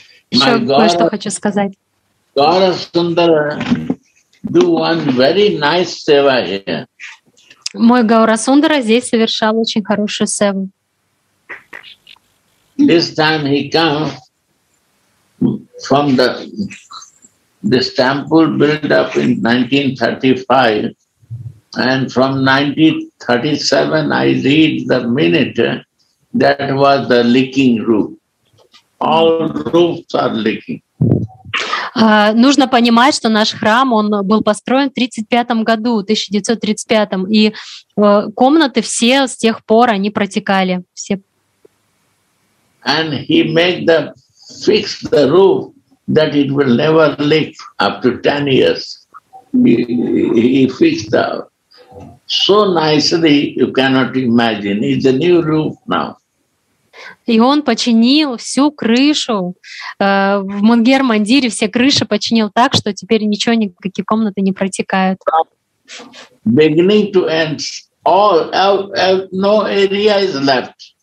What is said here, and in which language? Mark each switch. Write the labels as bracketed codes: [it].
[ru] Еще кое-что хочу сказать. [en] Гора Сундара do one very nice seva here. [ru] Мой Гаурасундара здесь совершал очень хорошую севу. [en] This time he came from this temple built up in 1935, and from 1937 I read the minute that was the leaking roof. All roofs are leaking. [ru] Нужно понимать, что наш храм, он был построен в 1935 году, и комнаты все с тех пор, они протекали. Все. [en] And he made the fix the roof that it will never leak after 10 years. He fixed it so nicely, you cannot imagine. It's a new roof now. [ru] И он починил всю крышу в Мангер-Мандире, все крыши починил так, что теперь ничего, никакие комнаты не протекают. [en] Beginning to end, no area is left.